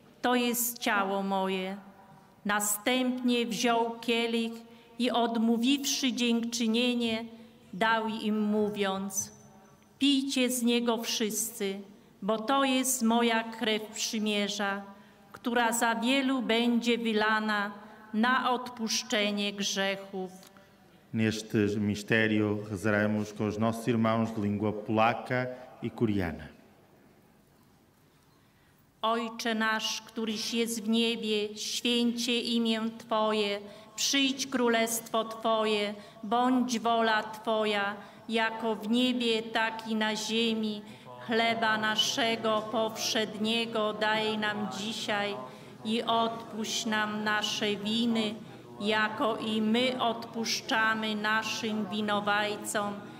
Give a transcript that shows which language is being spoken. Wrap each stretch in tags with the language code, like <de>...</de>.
<pl>To jest ciało moje. Następnie wziął kielich i odmówiwszy dziękczynienie, dał im mówiąc: pijcie z niego wszyscy, bo to jest moja krew przymierza, która za wielu będzie wylana na odpuszczenie grzechów.</pl> <pt>Neste mistério rezaremos com os nossos irmãos de língua polaca e coreana.</pt> <pl>Ojcze nasz, któryś jest w niebie, święcie imię Twoje, przyjdź królestwo Twoje, bądź wola Twoja, jako w niebie, tak i na ziemi. Chleba naszego powszedniego daj nam dzisiaj i odpuść nam nasze winy, jako i my odpuszczamy naszym winowajcom.</pl>